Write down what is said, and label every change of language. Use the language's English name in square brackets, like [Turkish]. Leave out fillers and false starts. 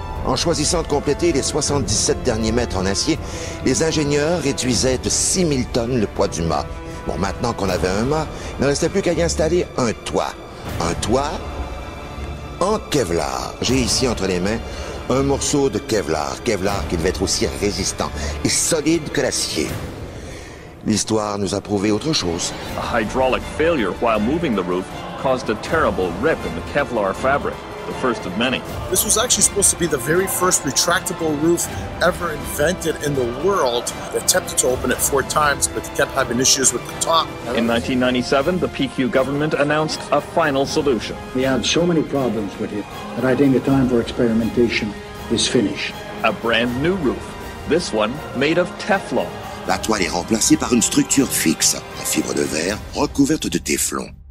[French] En choisissant de compléter les 77 derniers mètres en acier, les ingénieurs réduisaient de 6000 tonnes le poids du mât. Bon, maintenant qu'on avait un mât, il ne restait plus qu'à y installer un toit. Un toit en Kevlar. J'ai ici entre les mains un morceau de Kevlar. Kevlar qui devait être aussi résistant et solide que l'acier. L'histoire nous a prouvé autre chose. [English] A hydraulic failure while moving the roof caused a terrible rip in the Kevlar fabric. The first of many. This was actually supposed to be the very first retractable roof ever invented in the world. They attempted to open it four times, but they kept having issues with the top. In 1997, the PQ government announced a final solution. We had so many problems with it that I think the time for experimentation is finished. A brand new roof, this one made of Teflon. [French] La toile est remplacée par une structure fixe, en fibre de verre recouverte de Teflon.